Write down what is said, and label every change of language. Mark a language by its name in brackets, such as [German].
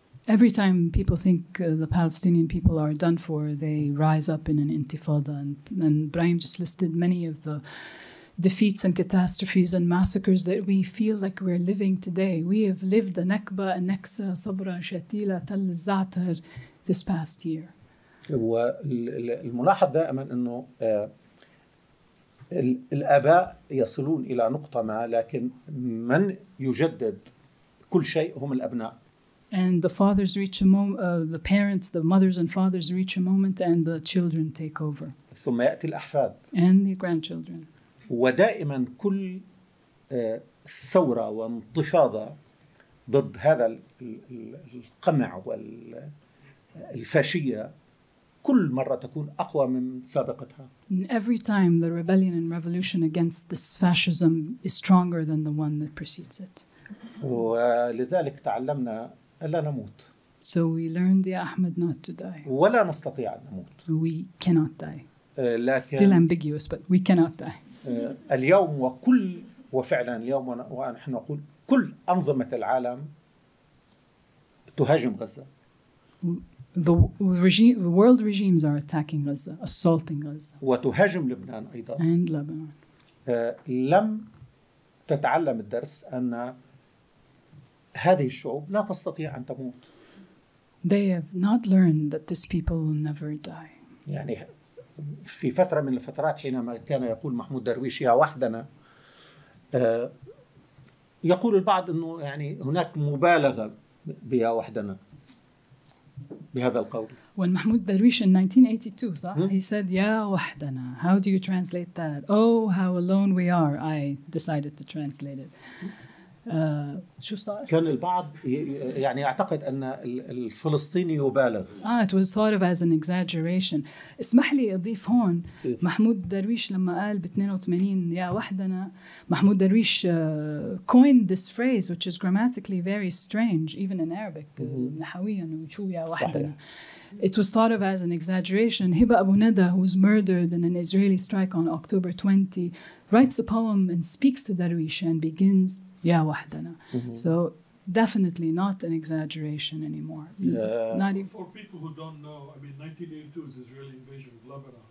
[English] Every time people think the Palestinian people are done for, they rise up in an intifada. And Ibrahim just listed many of the defeats and catastrophes and massacres that we feel like we're living today. We have lived a Nakba, a Nexa, Sabra, Shatila, Tal Zatar this past year. [Arabic] الملاحظ دائما أنه الآباء يصلون إلى نقطة ما لكن من يجدد كل شيء هم الأبناء. [English] And the fathers reach a moment, the parents, the mothers and fathers reach a moment and the children take over. [Arabic] ثم يأتي الأحفاد. [English] And the grandchildren. [Arabic] ودائما كل ثورة وانتفاضة ضد هذا القمع والفاشية كل مرة تكون أقوى من سابقتها. [English] And every time the rebellion and revolution against this fascism is stronger than the one that precedes it. [Arabic] ولذلك تعلمنا ألا نموت. [English] So we learned, [Arabic] يا أحمد, [English] not to die. [Arabic] ولا نستطيع أن نموت. [English] We cannot die. [Arabic] لكن [English] still ambiguous, but we cannot die. [Arabic] اليوم وكل وفعلا اليوم ونحن نقول كل أنظمة العالم تهاجم غزة. [English] The world regimes are attacking Gaza, assaulting Gaza. [Arabic] وتهاجم لبنان أيضا. [English] And Lebanon. [Arabic] لم تتعلم الدرس أن هذه الشعوب لا تستطيع أن تموت. [English] They have not learned that this people will never die. [Arabic] يعني في فترة من الفترات حينما كان يقول محمود درويش يا وحدنا يقول البعض إنه يعني هناك مبالغة بيا وحدنا بهذا القول. [English] When Mahmoud Darwish in 1982, he said, Ya wahdana, how do you translate that? Oh, how alone we are, I decided to translate it. [Arabic] شو صار؟ كان البعض يعني يعتقد أن الفلسطيني يبالغ. [English] It was thought of as an exaggeration. [Arabic] اسمح لي أضيف هون محمود درويش لما قال ب 82 يا وحدنا محمود درويش [English] coined this phrase which is grammatically very strange even in Arabic [Arabic] نحويا وشو يا وحدنا. [English] It was thought of as an exaggeration. Hiba Abu Neda, who was murdered in an Israeli strike on October 20, writes a poem and speaks to Darwish and begins Ya wahdana. So definitely not an exaggeration anymore. Not even for people who don't know, I mean 1982 is Israeli invasion of Lebanon.